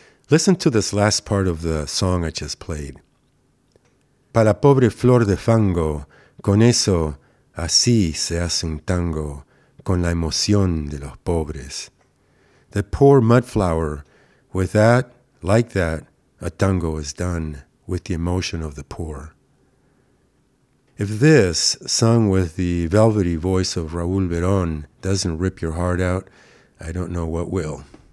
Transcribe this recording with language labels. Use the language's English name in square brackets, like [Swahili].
[English] Listen to this last part of the song I just played. [Spanish] Para la pobre flor de fango, con eso así se hace un tango, con la emoción de los pobres. [English] The poor mud flower, with that, like that, a tango is done, with the emotion of the poor. If this, sung with the velvety voice of Raúl Verón, doesn't rip your heart out, I don't know what will.